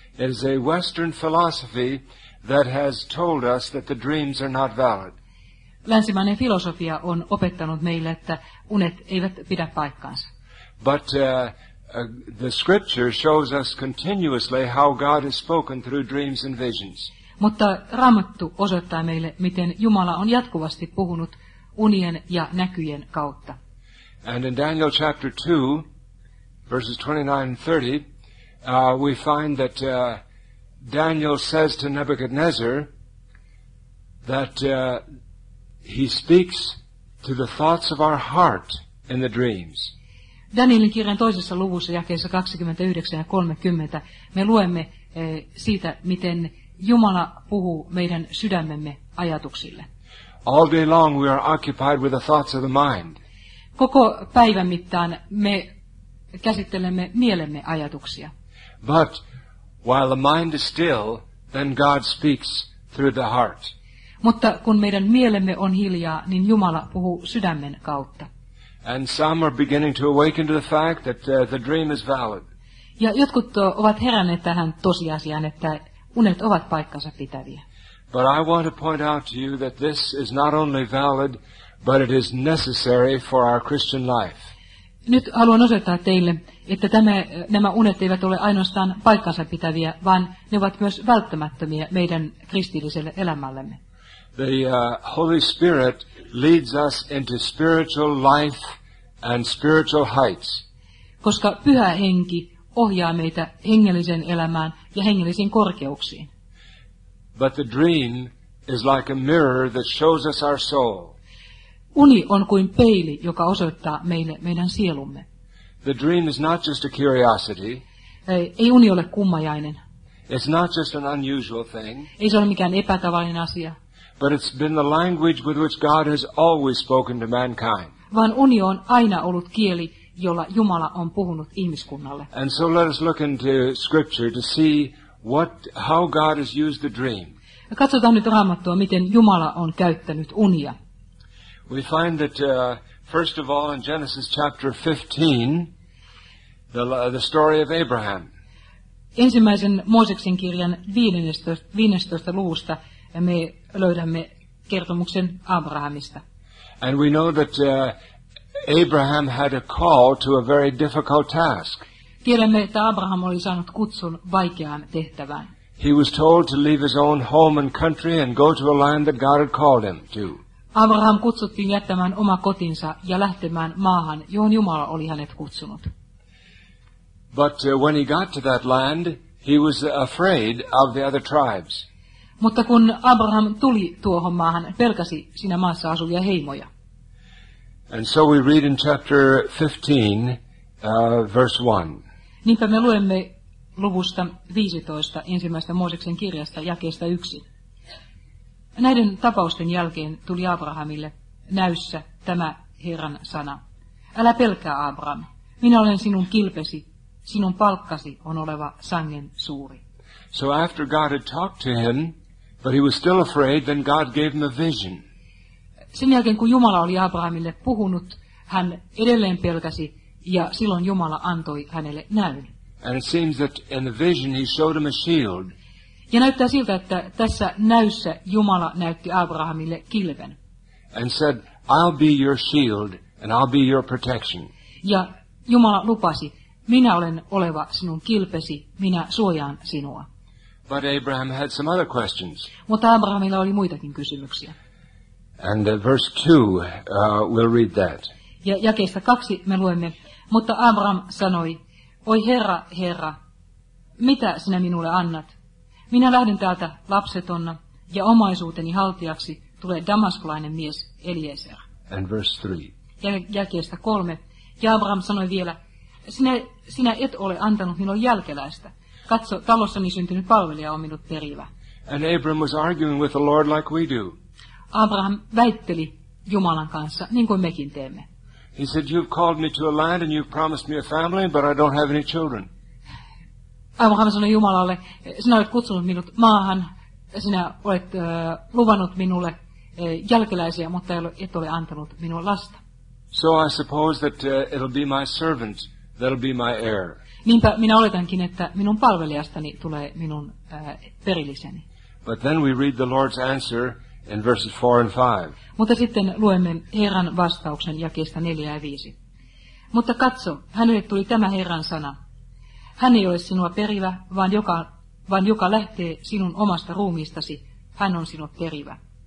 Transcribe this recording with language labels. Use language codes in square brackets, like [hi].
[en] It is a Western philosophy that has told us that the dreams are not valid. [fi] Länsimainen filosofia on opettanut meille, että unet eivät pidä paikkaansa. [en] But the scripture shows us continuously how God has spoken through dreams and visions. [fi] Mutta Raamattu osoittaa meille, miten Jumala on jatkuvasti puhunut unien ja näkyjen kautta. [en] And in Daniel chapter 2, verses 29 and 30, we find that Daniel says to Nebuchadnezzar that he speaks to the thoughts of our heart in the dreams. [fi] Danielin kirjan toisessa luvussa, jakeessa 29 ja 30, me luemme siitä, miten Jumala puhuu meidän sydämemme ajatuksille. [en] All day long we are occupied with the thoughts of the mind. [fi] Koko päivän mittaan me käsittelemme mielemme ajatuksia. [en] But while the mind is still, then God speaks through the heart. [fi] Mutta kun meidän mielemme on hiljaa, niin Jumala puhuu sydämen kautta. [en] And some are beginning to awaken to the fact that the dream is valid. [fi] Ja jotkut ovat heränneet tähän tosiasiaan, että unet ovat paikkansa pitäviä. [en] But I want to point out to you that this is not only valid, but it is necessary for our Christian life. [fi] Nyt haluan osoittaa teille, että nämä unet eivät ole ainoastaan paikkansa pitäviä, vaan ne ovat myös välttämättömiä meidän kristilliselle elämällemme. [en] The Holy Spirit leads us into spiritual life and spiritual heights. [fi] Koska Pyhä Henki ohjaa meitä hengelliseen elämään ja hengellisiin korkeuksiin. [en] But the dream is like a mirror that shows us our soul. [fi] Uni on kuin peili, joka osoittaa meille meidän sielumme. [en] The dream is not just a curiosity. [fi] Ei uni ole kummajainen. [en] It's not just an unusual thing. [fi] Ei se ole mikään epätavallinen asia. [en] But it's been the language with which God has always spoken to mankind. [fi] Vaan uni on aina ollut kieli, jolla Jumala on puhunut ihmiskunnalle. [en] And so let us look into Scripture to see how God has used the dream. [fi] Katsotaan nyt Raamattua, miten Jumala on käyttänyt unia. [en] We find that first of all in Genesis chapter 15, the story of Abraham. [fi] Ensimmäisen Mooseksen kirjan 15. luvusta me löydämme kertomuksen Abrahamista. [en] And we know that Abraham had a call to a very difficult task. [fi] Tiedämme, että Abraham oli saanut kutsun vaikeaan tehtävään. [en] He was told to leave his own home and country and go to a land that God had called him to. [fi] Abraham kutsuttiin jättämään oma kotinsa ja lähtemään maahan, johon Jumala oli hänet kutsunut. [en] But when he got to that land, he was afraid of the other tribes. [fi] Mutta kun Abraham tuli tuohon maahan, pelkäsi siinä maassa asuvia heimoja. [en] And so we read in chapter 15, verse 1. [fi] Niinpä me luemme luvusta 15 ensimmäistä Mooseksen kirjasta jakeesta 1. Näiden tapausten jälkeen tuli Abrahamille näyssä tämä Herran sana. Älä pelkää, Abraham. Minä olen sinun kilpesi. Sinun palkkasi on oleva sangen suuri. [en] So after God had talked to him, but he was still afraid, then God gave him a vision. [fi] Sen jälkeen, kun Jumala oli Abrahamille puhunut, hän edelleen pelkäsi, ja silloin Jumala antoi hänelle näyn. [en] And it seems that in the vision he showed him a shield. [fi] Ja näyttää siltä, että tässä näyssä Jumala näytti Abrahamille kilven. [en] And said, I'll be your shield and I'll be your protection. [fi] Ja Jumala lupasi, minä olen oleva sinun kilpesi, minä suojaan sinua. [en] But Abraham had some other questions. [fi] Mutta Abrahamilla oli muitakin kysymyksiä. [en] And verse 2, we'll read that. [fi] Ja jakeesta 2 me luemme, mutta Abraham sanoi, oi Herra, Herra, mitä sinä minulle annat? Minä lähden täältä lapsetonna, ja omaisuuteni haltijaksi tulee damaskulainen mies Eliezer. [en] And verse 3. [fi] Jakeesta 3. Ja Abraham sanoi vielä, sinä et ole antanut minulle jälkeläistä. Katso, talossani syntynyt palvelija on minut perivä. [en] And Abraham was arguing with the Lord like we do. [fi] Abraham väitteli Jumalan kanssa, niin kuin mekin teemme. [en] He said, you've called me to a land and you've promised me a family, but I don't have any children. [fi] Abraham sanoi Jumalalle, sinä olet kutsunut minut maahan, sinä olet luvannut minulle jälkeläisiä, mutta et ole antanut minua lasta. [en] So I suppose that it'll be my servant that'll be my heir. [fi] Niinpä minä oletankin, että minun palvelijastani tulee minun perilliseni. [en] But then we read the Lord's answer in verses 4 and 5. [fi] Mutta sitten luemme Herran vastauksen jakeesta 4 ja 5. Mutta katso, hänelle tuli tämä Herran sana. Hän ei ole sinua perivä, vaan joka lähtee sinun omasta ruumiistasi, hän on sinut perivä.